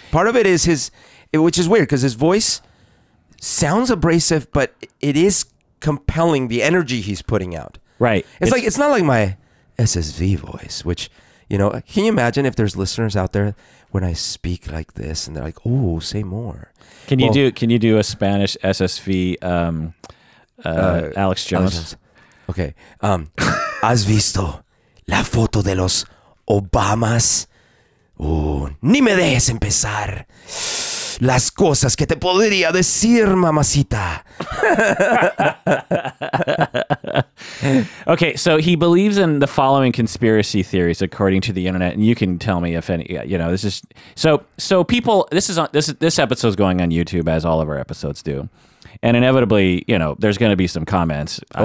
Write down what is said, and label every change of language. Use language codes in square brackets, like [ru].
[en] part of it is which is weird because his voice sounds abrasive, but it is compelling, the energy he's putting out. Right. It's not like my SSV voice, which, you know, can you imagine if there's listeners out there when I speak like this and they're like, oh, say more. Can you do a Spanish SSV Alex Jones? Okay. [es] ¿Has visto la foto de los Obamas? Oh, ni me dejes empezar. Las cosas que te podría decir, mamacita. [en] Okay, so he believes in the following conspiracy theories, according to the internet, and you can tell me if any. You know, this is so people. This episode is going on YouTube, as all of our episodes do, and inevitably, you know, there's going to be some comments.